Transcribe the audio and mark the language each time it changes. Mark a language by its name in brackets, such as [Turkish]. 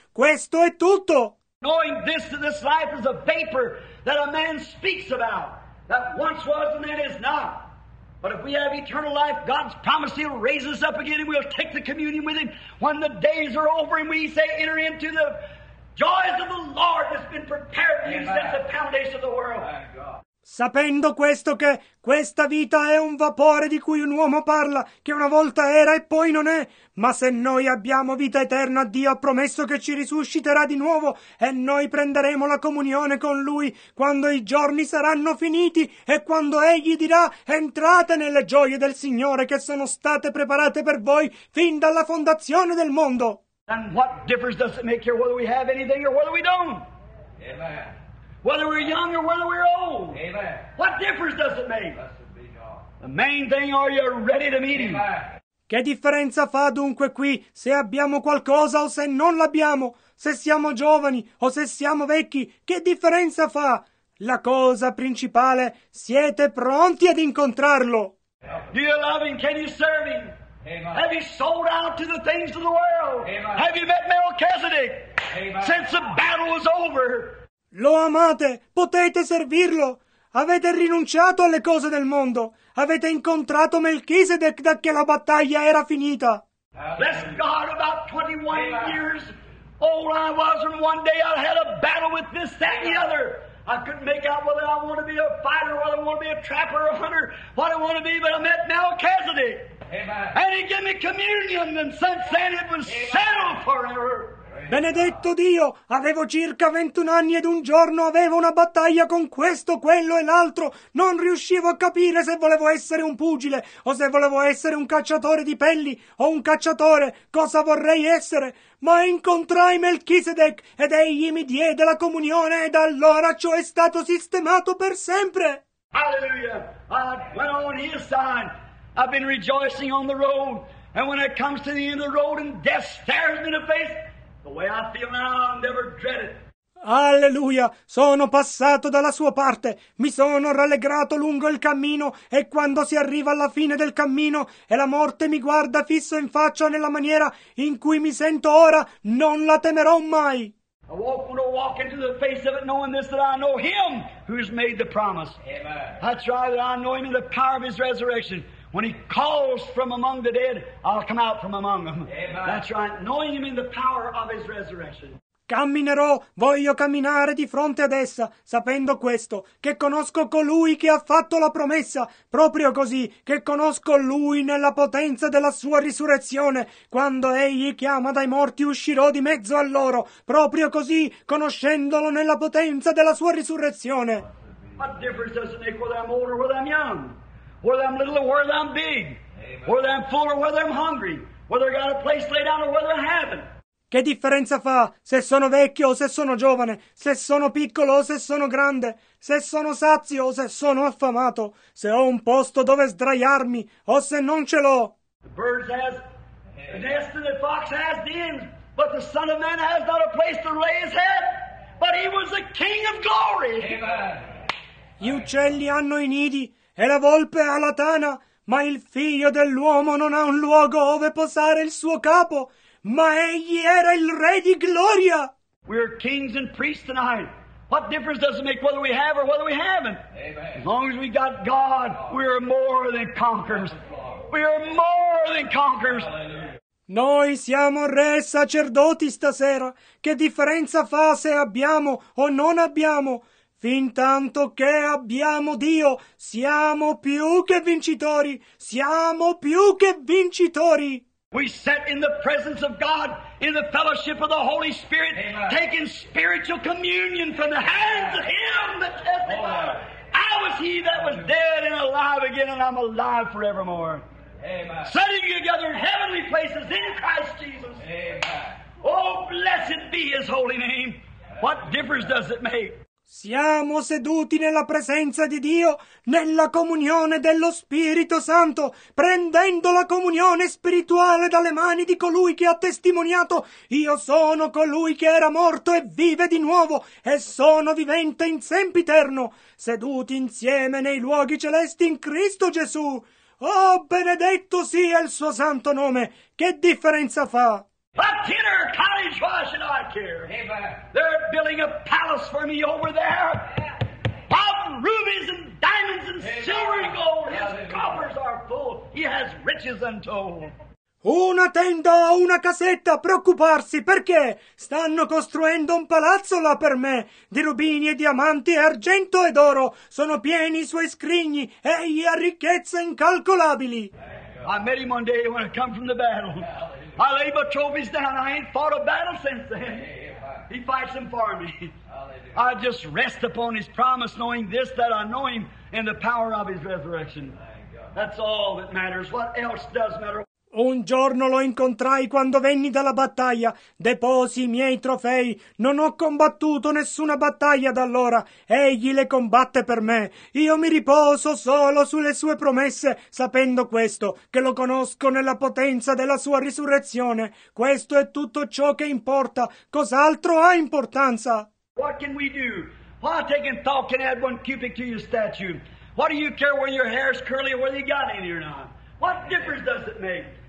[Italian] Questo è tutto. [English] Knowing this life is a vapor that a man speaks about, that once was and then is not. But if we have eternal life, God's promised he'll raise us up again and we'll take the communion with him when the days are over and we say, enter into the joys of the Lord that's been prepared for you since the foundation of the world. Thank God. [Italian] Sapendo questo che questa vita è un vapore di cui un uomo parla, che una volta era e poi non è, ma se noi abbiamo vita eterna, Dio ha promesso che ci risusciterà di nuovo e noi prenderemo la comunione con Lui quando i giorni saranno finiti e quando Egli dirà entrate nelle gioie del Signore che sono state preparate per voi fin dalla fondazione del mondo. [English] And what difference does it make here whether we have anything or whether we don't? Amen. Whether we're young or whether we're old. Amen. What difference does it make? Blessed be God. The main thing, are you ready to meet him? Amen. [Italian] Che differenza fa dunque qui se abbiamo qualcosa o se non l'abbiamo? Se siamo giovani o se siamo vecchi, che differenza fa? La cosa principale, siete pronti ad incontrarlo. [English] Do you love him? Can you serve him? Amen. Have you sold out to the things of the world? Amen. Have you met Melchizedek? Amen. Since the battle was over? [Italian] Lo amate? Potete servirlo? Avete rinunciato alle cose del mondo? Avete incontrato Melchizedek da che la battaglia era finita? [English] Bless God, about 21 Amen. Years old I was, and one day I had a battle with this, that, and the other. I couldn't make out whether I want to be a fighter, whether I want to be a trapper or a hunter, what I want to be, but I met Melchizedek. Amen. And he gave me communion, and since then it was settled forever. [Italian] Benedetto Dio, avevo circa 21 anni ed un giorno avevo una battaglia con questo, quello e l'altro. Non riuscivo a capire se volevo essere un pugile o se volevo essere un cacciatore di pelli o un cacciatore, cosa vorrei essere. Ma incontrai Melchizedek ed egli mi diede la comunione ed allora ciò è stato sistemato per sempre. [English] Hallelujah! I went on his side. I've been rejoicing on the road. And when it comes to the end of the road and death stares me in the face, the way I feel now, I'll never dread it. [Italian] Alleluia! Sono passato dalla sua parte. Mi sono rallegrato lungo il cammino. E quando si arriva alla fine del cammino e la morte mi guarda fisso in faccia nella maniera in cui mi sento ora, non la temerò mai. [English] I won't want to walk into the face of it knowing this, that I know him who's made the promise. Amen. That's right, that I know him in the power of his resurrection. When he calls from among the dead, I'll come out from among them. Amen. That's right, knowing him in the power of his resurrection. [Italian] Camminerò, voglio camminare di fronte ad essa, sapendo questo, che conosco colui che ha fatto la promessa, proprio così, che conosco lui nella potenza della sua risurrezione. Quando egli chiama dai morti, uscirò di mezzo a loro, proprio così, conoscendolo nella potenza della sua risurrezione. [English] What difference does it make whether I'm old or whether I'm young? Whether I'm little or whether I'm big, Amen. Whether I'm full or whether I'm hungry, whether I got a place laid out or whether I haven't. [Italian] Che differenza fa se sono vecchio o se sono giovane, se sono piccolo o se sono grande, se sono sazio o se sono affamato, se ho un posto dove sdraiarmi o se non ce l'ho. [English] The bird has a nest and the fox has dens, but the son of man has not a place to lay his head, but he was the king of glory. Amen. [Italian] Gli uccelli hanno i nidi e la volpe ha la tana, ma il figlio dell'uomo non ha un luogo ove posare il suo capo, ma egli era il re di gloria. [English] We are kings and priests tonight. What difference does it make whether we have or whether we haven't? Amen. As long as we got God, we are more than conquerors. We are more than conquerors. [Italian] Noi siamo re e sacerdoti stasera. Che differenza fa se abbiamo o non abbiamo? Fin tanto che abbiamo Dio, siamo più che vincitori, siamo più che vincitori. [English] We sat in the presence of God, in the fellowship of the Holy Spirit, Amen. Taking spiritual communion from the hands of him that testified. I was he that was dead and alive again, and I'm alive forevermore. Amen. Setting you together in heavenly places in Christ Jesus. Amen. Oh, blessed be his holy name. What difference does it make? [Italian] Siamo seduti nella presenza di Dio, nella comunione dello Spirito Santo, prendendo la comunione spirituale dalle mani di colui che ha testimoniato: io sono colui che era morto e vive di nuovo, e sono vivente in sempiterno, seduti insieme nei luoghi celesti in Cristo Gesù. Oh, benedetto sia il suo santo nome! Che differenza fa? [English] A tenor cottage, why should I care? Amen. They're building a palace for me over there. Of rubies and diamonds and Amen. Silver and gold. His Amen. Coffers are full. He has riches untold. [Italian] Una tenda o una casetta, preoccuparsi, perché? Stanno costruendo un palazzo là per me, di rubini e diamanti e argento ed oro. Sono pieni i suoi scrigni, egli ha ricchezze incalcolabili. [English] I met him one day when I come from the battle. I lay my trophies down. I ain't fought a battle since then. Amen. He fights them for me. Hallelujah. I just rest upon his promise, knowing this, that I know him in the power of his resurrection. Thank God. That's all that matters. What else does matter? [Italian] Un giorno lo incontrai quando venni dalla battaglia. Deposi i miei trofei. Non ho combattuto nessuna battaglia da allora. Egli le combatte per me. Io mi riposo solo sulle sue promesse, sapendo questo, che lo conosco nella potenza della sua risurrezione. Questo è tutto ciò che importa. Cos'altro ha importanza? [English] What can we do? Why take in thought can add one cubic to your statue? What do you care whether your hair's curly or whether you got any or not? What difference does it make?